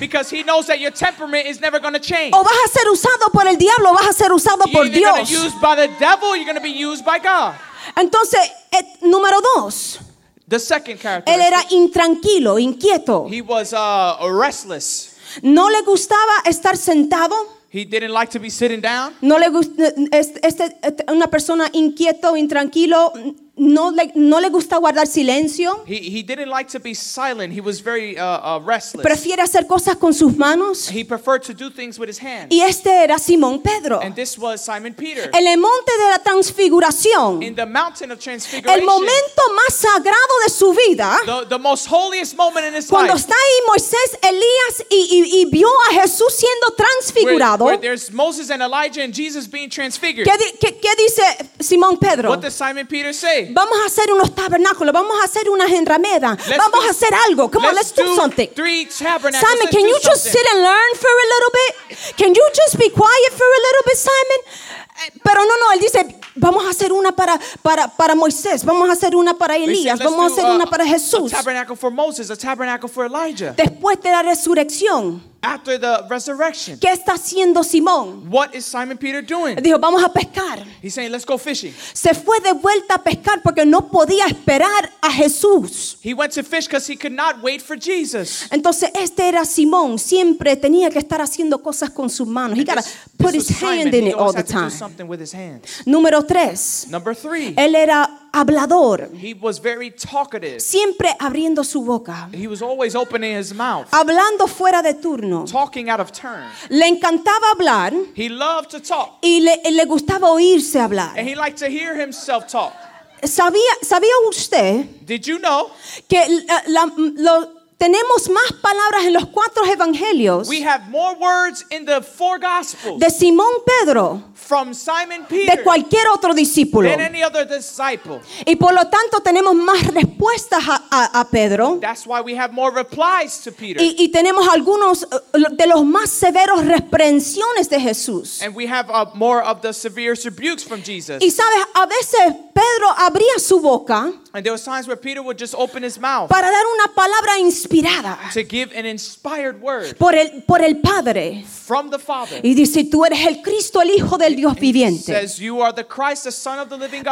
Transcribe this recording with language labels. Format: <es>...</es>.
<en>Because he knows that your temperament is never going to change.</en> <es>O vas a ser usado por el diablo, o vas a ser usado por Dios.</es> <en>You're going to be used by the devil, you're going to be used by God.</en> <es>Entonces, número dos.</es> <en>The second character.</en> <es>Él era intranquilo, inquieto.</es> <en>He was restless.</en> <es>No le gustaba estar sentado.</es> <en>He didn't like to be sitting down.</en> <es>No le gusta una persona inquieto, intranquilo. No le gusta guardar silencio.</es> <en>He didn't like to be silent. He was very restless.</en> <es>Prefiere hacer cosas con sus manos.</es> <en>He preferred to do things with his hands.</en> <es>Y este era Simón Pedro.</es> <en>And this was Simon Peter.</en> <es>En el monte de la transfiguración.</es> <en>In the mountain of transfiguration.</en> <es>El momento más sagrado de su vida.</es> <en>The most holiest moment in his</en> <es>cuando</es> <en>life.</en> <es>Cuando está ahí Moisés, Elías y vio a Jesús siendo transfigurado.</es> <en>Where there's Moses and Elijah and Jesus being transfigured.</en> <es>¿Qué dice Simón Pedro?</es> <en>What does Simon Peter say?</en> <es>Vamos a hacer unos tabernáculos, vamos a hacer unas enramedas, vamos a hacer algo.</es> <en>Come on, let's do something. Simon, can you just sit and learn for a little bit? Can you just be quiet for a little bit, Simon?</en> <es>Pero no, él dice, vamos a hacer una para Moisés, vamos a hacer una para Elías, vamos a hacer una para Jesús.</es> <en>A tabernacle for Moses, a tabernacle for Elijah.</en> <es>Después de la resurrección.</es> <en>After the resurrection.</en> <es>¿Qué está haciendo Simón?</es> <en>What is Simon Peter doing?</en> <es>Dijo, vamos a pescar.</es> <en>He's saying, let's go fishing.</en> <es>Se fue de vuelta a pescar porque no podía esperar a Jesús.</es> <en>He went to fish because he could not wait for Jesus.</en> <es>Entonces este era Simón. Siempre tenía que estar haciendo cosas con sus manos.</es> <en>And he got to put his hand Simon. In he it all the time. He always had to do something with his hands.</en> <es>Número tres.</es> <en>Number three.</en> <es>Él era hablador.</es> <en>He was very talkative.</en> <es>Siempre abriendo su boca.</es> <en>He was always opening his mouth.</en> <es>Hablando fuera de turno.</es> <en>Talking out of turn.</en> <es>Le encantaba hablar.</es> <en>He loved to talk.</en> <es>Y le gustaba oírse hablar.</es> <en>And he liked to hear himself talk.</en> <es>¿Sabía usted?</es> <en>Did you know?</en> <es>Que la Tenemos más palabras en los cuatro evangelios.</es> <en>We have more words in the four gospels.</en> <es>De Simón Pedro.</es> <en>From Simon Peter.</en> <es>De cualquier otro discípulo.</es> <en>Than any other disciple.</en> <es>Y por lo tanto tenemos más respuestas a Pedro.</es> <en>That's why we have more replies to Peter.</en> <es>Y tenemos algunos de los más severos reprensiones de Jesús.</es> <en>And we have more of the severe rebukes from Jesus.</en> <es>Y sabes, a veces Pedro abría su boca.</es> <en>And there were times where Peter would just open his mouth.</en> <es>Para dar una palabra inspirada.</es> <en>To give an inspired word.</en> <es>Por el Padre.</es> <en>From the Father.</en> <es>Y dice, tú eres el Cristo, el Hijo del Dios viviente.</es> <en>Says, you are the Christ, the Son of the living God.</en>